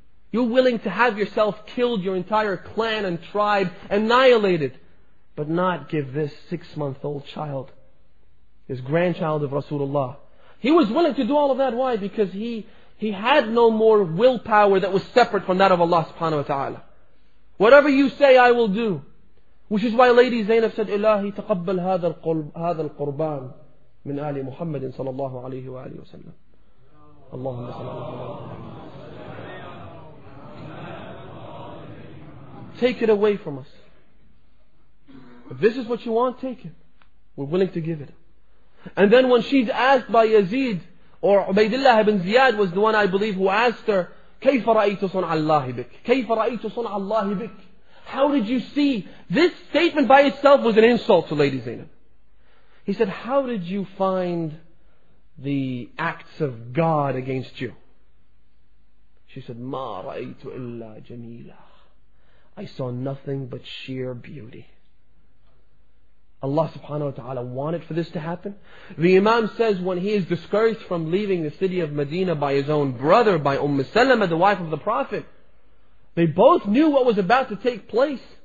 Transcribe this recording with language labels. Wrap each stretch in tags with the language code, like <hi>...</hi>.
<en>You're willing to have yourself killed, your entire clan and tribe annihilated, but not give this 6-month-old child, this grandchild of Rasulullah. He was willing to do all of that. Why? Because he had no more willpower that was separate from that of Allah subhanahu wa ta'ala. Whatever you say, I will do. Which is why Lady Zainab said,</en> <ar>إِلَهِ تَقَبَّلْ هَذَا الْقُرْبَانِ مِنْ آلِ مُحَمَّدٍ صَلَى اللَّهُ عَلَيْهِ وَآلِهِ وَسَلَّمَ. اللهم صلى الله عليه وسلم.</ar> <en>Take it away from us. If this is what you want, take it. We're willing to give it. And then when she's asked by Yazid, or Ubaydullah ibn Ziyad was the one, I believe, who asked her,</en> <ar>كَيْفَ رَأَيْتُ صُنْعَ اللَّهِ بِكَ</ar> <en>كَيْفَ رَأَيْتُ صُنْعَ اللَّهِ بِكَ. How did you see? This statement by itself was an insult to Lady Zainab. He said, how did you find the acts of God against you? She said,</en> <ar>مَا رَأَيْتُ إِلَّا جَمِيلًا.</ar> <en>I saw nothing but sheer beauty. Allah subhanahu wa ta'ala wanted for this to happen. The Imam says when he is discouraged from leaving the city of Medina by his own brother, by Umm Salama, the wife of the Prophet, they both knew what was about to take place.</en>